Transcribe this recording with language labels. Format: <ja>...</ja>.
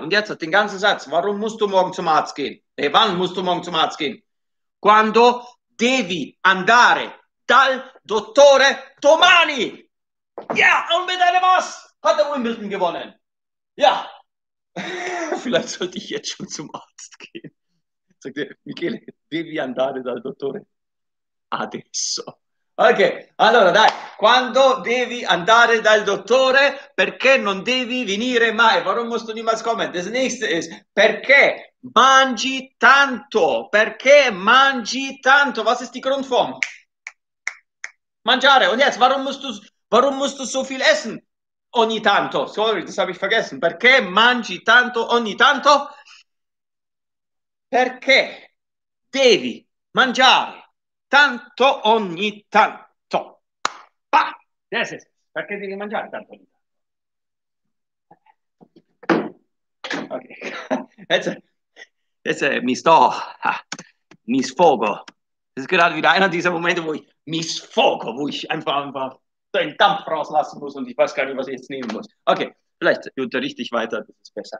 <de>Und jetzt den ganzen Satz. Warum musst du morgen zum Arzt gehen? Wann musst du morgen zum Arzt gehen?</de> <it>Quando devi andare dal dottore domani.</it> <de>Ja, und mit einem was hat er Wimbledon gewonnen? Ja. Vielleicht sollte ich jetzt schon zum Arzt gehen. Sagt er,</de> <it>Michele, devi andare dal dottore adesso. Ok, allora dai, quando devi andare dal dottore, perché non devi venire mai?</it> <de>Warum musst du niemals kommen? Das nächste ist,</de> <it>perché mangi tanto? Perché mangi tanto?</it> <de>Was ist die Grundform? Mangiare. Und jetzt, warum musst du so viel essen?</de> <it>Ogni tanto.</it> <de>Sorry, das habe ich vergessen.</de> <it>Perché mangi tanto ogni tanto? Perché devi mangiare tanto ogni tanto? Yes. Perché devi mangiare tanto ogni mi sto. Mi sfogo.</it> <de>Es ist gerade wieder einer dieser Momente, wo ich</de> <it>mi sfogo,</it> <de>wo ich einfach den Dampf rauslassen muss und ich weiß gar nicht, was ich jetzt nehmen muss. Okay, vielleicht unterrichte ich weiter, das ist besser.</de>